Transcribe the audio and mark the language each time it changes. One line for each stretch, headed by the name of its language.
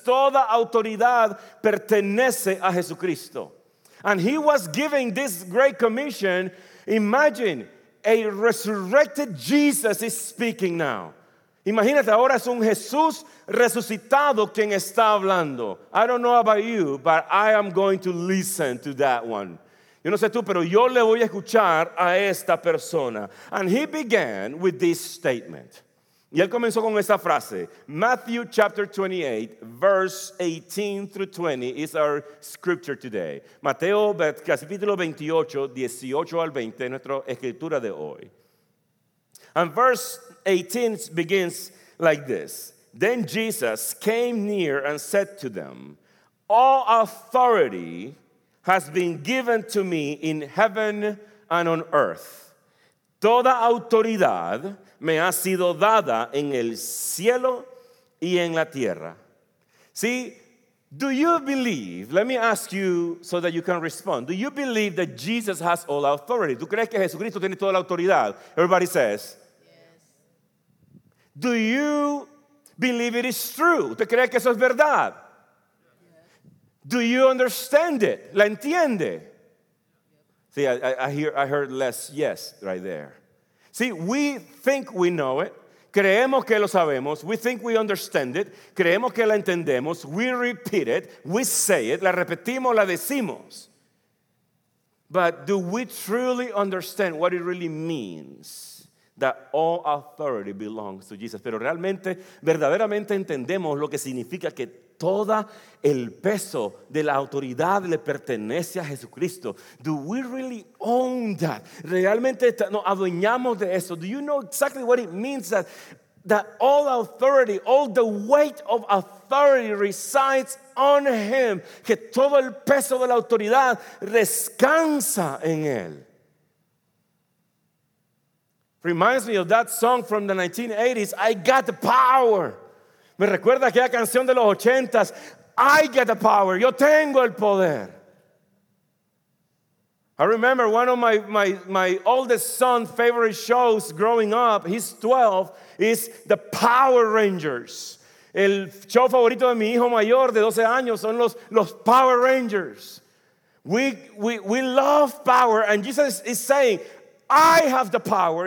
Spanish: Toda autoridad pertenece a Jesucristo.
English: And he was giving this great commission. Imagine, a resurrected Jesus is speaking now.
Spanish: Imagínate, ahora es un Jesús resucitado quien está hablando.
English: I don't know about you, but I am going to listen to that one.
Spanish: Yo no sé tú, pero yo le voy a escuchar a esta persona.
English: And he began with this statement. Y él comenzó con esta frase. Matthew chapter 28, verse 18 through 20 is our scripture today.
Spanish: Mateo, capítulo 28, 18 al 20, nuestra escritura de hoy.
English: And verse 18 begins like this. Then Jesus came near and said to them, "All authority has been given to me in heaven and on earth."
Spanish: Toda autoridad me ha sido dada en el cielo y en la tierra.
English: See, do you believe, let me ask you so that you can respond. Do you believe that Jesus has all authority?
Spanish: ¿Tú crees que Jesucristo tiene toda la autoridad?
English: Everybody says. Do you believe it is true?
Spanish: ¿Usted cree que eso es verdad? Do you understand it? ¿La entiende?
English: See, I heard less yes right there. See, we think we know it.
Spanish: Creemos que lo sabemos. We think we understand it. Creemos que la entendemos.
English: We repeat it. We say it. La repetimos, la decimos. But do we truly understand what it really means? That all authority belongs to Jesus.
Spanish: Pero realmente, verdaderamente entendemos lo que significa que todo el peso de la autoridad le pertenece a Jesucristo.
English: Do we really own that? Realmente nos adueñamos de eso. Do you know exactly what it means that all authority, all the weight of authority resides on him?
Spanish: Que todo el peso de la autoridad descansa en él.
English: Reminds me of that song from the 1980s, "I Got the Power."
Spanish: Me recuerda aquella canción de los 80s, "I Got the Power." Yo tengo el poder.
English: I remember one of my oldest son's favorite shows growing up. He's 12. Is the Power Rangers.
Spanish: El show favorito de mi hijo mayor de 12 años son los Power Rangers.
English: We love power, and Jesus is saying, I have the power.